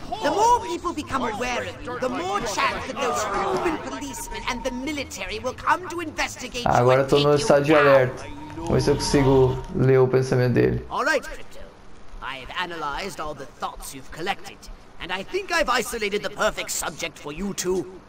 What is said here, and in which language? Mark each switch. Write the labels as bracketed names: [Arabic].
[English] The more people become aware of you, the more chance that those human policemen and the military will come to investigate you. [Portuguese] Agora tô no estado de alerta. Vamos ver se eu consigo ler o pensamento dele. [English] All right, Crypto. I've analyzed all the thoughts you've collected, and I think I've isolated the perfect subject for you to